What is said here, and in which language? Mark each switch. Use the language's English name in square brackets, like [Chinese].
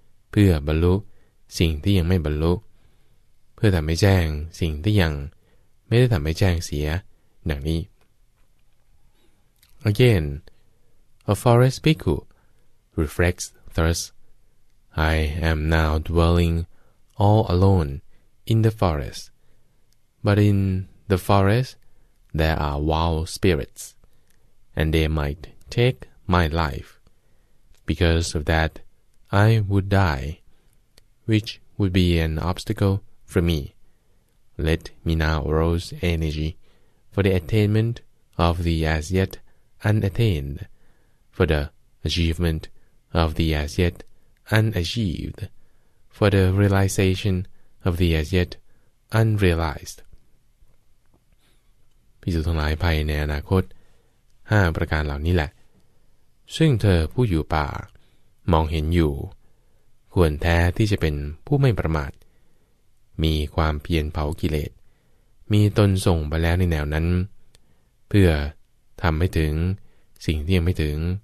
[Thai] เพื่อบรรลุสิ่งที่ยังไม่บรรลุเพื่อทำให้แจ้งสิ่งที่ยังไม่ได้ทำให้แจ้งเสียดังนี้ [English] Again, a forest bhikkhu reflects thus, I am now dwelling all alone in the forest, but in the forest there are wild spirits, and they might take my life. Because of that, I would die, which would be an obstacle for me. Let me now arouse energy for the attainment of the as yet unattained, for the achievement of the as yet unachieved, for the realization of the as yet unrealized. [Thai] ภิกษุทั้งหลายภายในอนาคต5ประการเหล่านี้แหละซึ่งเธอผู้อยู่ป่ามองเห็นอยู่ควรแท้ที่จะเป็นผู้ไม่ประมาท มีความเพียรเผากิเลสมีตนส่งไปแล้วในแนวนั้นเพื่อทำให้ถึงสิ่งที่ยังไม่ถึง